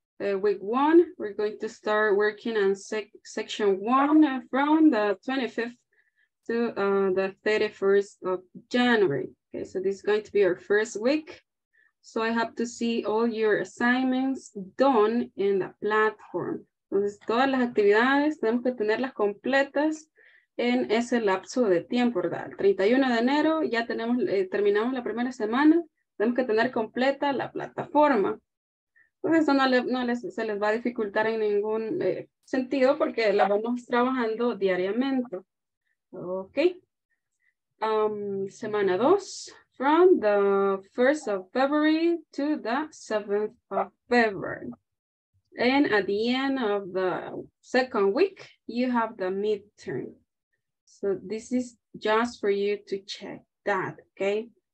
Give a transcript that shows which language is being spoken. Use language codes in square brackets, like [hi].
[en] Week one, we're going to start working on section one from the 25th to the 31st of January. Okay, so this is going to be our first week. So I have to see all your assignments done in the platform. [es] Entonces, todas las actividades tenemos que tenerlas completas en ese lapso de tiempo, ¿verdad? El 31 de enero ya tenemos, terminamos la primera semana, tenemos que tener completa la plataforma. Entonces eso se les va a dificultar en ningún sentido porque la vamos trabajando diariamente. Ok. Semana 2, [en] from the 1st of February to the 7th of February. And at the end of the second week, you have the midterm. So this is just for you to check that, okay?